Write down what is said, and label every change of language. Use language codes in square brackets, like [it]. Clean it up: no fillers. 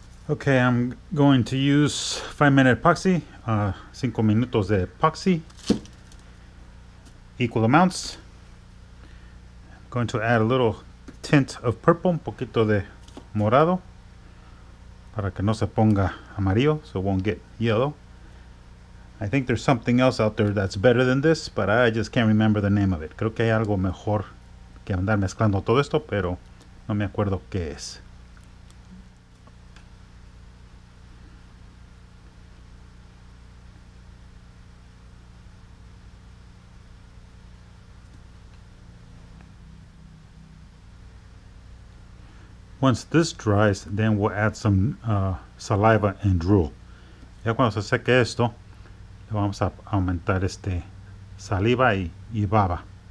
[en] Okay, I'm going to use 5-minute epoxy, [es] 5 minutos de epoxy, [en] equal amounts. I'm going to add a little tint of purple, [es] un poquito de morado, para que no se ponga amarillo, [en] so it won't get yellow. I think there's something else out there that's better than this, but I just can't remember the name of it. [es] Creo que hay algo mejor que andar mezclando todo esto, pero no me acuerdo qué es. [en] Once this dries, then we'll add some saliva and drool. [es] Ya cuando se seque esto, le vamos a aumentar este saliva y baba.